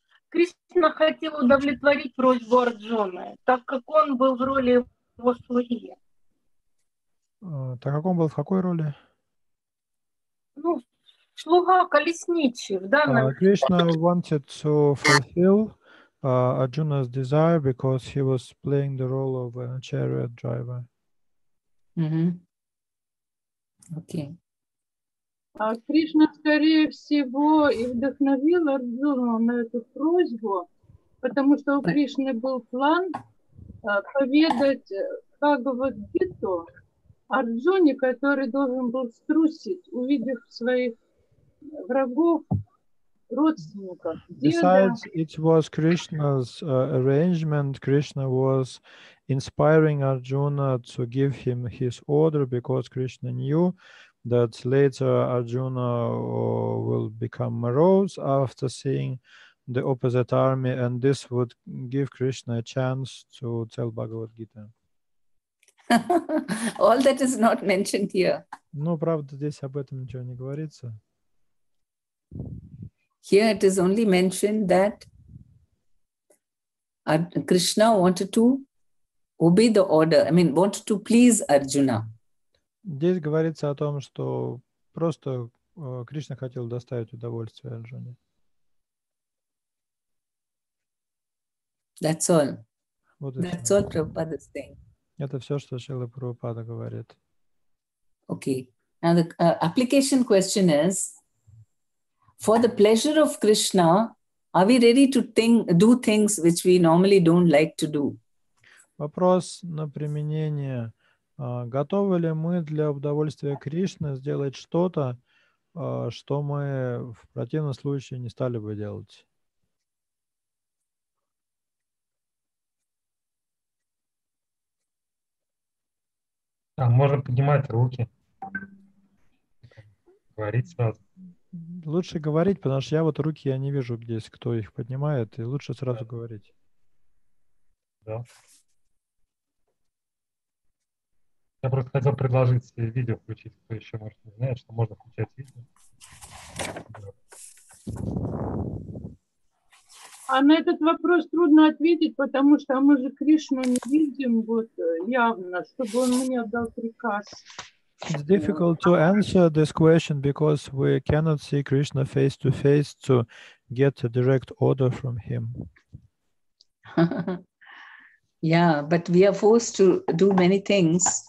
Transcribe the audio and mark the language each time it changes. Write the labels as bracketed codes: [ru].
[ru] Кришна хотел удовлетворить просьбу Арджуны, так как он был в роли его слуги. Так как он был в какой роли? Ну, слуга колесничий в данном. [en] Кришна wanted to fulfill Arjuna's desire because he was playing the role of a chariot driver. Mm-hmm. Okay. [ru] Кришна, скорее всего, и вдохновил Арджуну на эту просьбу, потому что у Кришны был план поведать Бхагавад-гиту Арджуне, который должен был струсить, увидев своих врагов, родственников. [en] Besides, it was Krishna's arrangement. Krishna was inspiring Arjuna to give him his order because Krishna knew that later Arjuna will become morose after seeing the opposite army, and this would give Krishna a chance to tell Bhagavad Gita. All that is not mentioned here. [ru] Ну, правда, здесь об этом ничего не говорится. [en] Here it is only mentioned that Krishna wanted to obey the order, wanted to please Arjuna. [ru] Здесь говорится о том, что просто Кришна хотел доставить удовольствие Арджуне. [en] That's all. [ru] Вот [en] That's all Prabhupada is saying. [ru] Это все, что Шрила Прабхупада говорит. [en] Okay. Now the application question is, for the pleasure of Krishna, are we ready to do things which we normally don't like to do? [ru] Вопрос на применение. Готовы ли мы для удовольствия Кришны сделать что-то, что мы в противном случае не стали бы делать? Да, можно поднимать руки. Говорить сразу. Лучше говорить, потому что я не вижу здесь, кто их поднимает, и лучше сразу говорить. Да. Я просто хотел предложить себе видео включить, кто еще может не знает, что можно включать видео. А на этот вопрос трудно ответить, потому что мы же Кришну не видим вот явно, чтобы он мне дал приказ. [en] It's difficult to answer this question because we cannot see Krishna face to face to get a direct order from him. Yeah, but we are forced to do many things.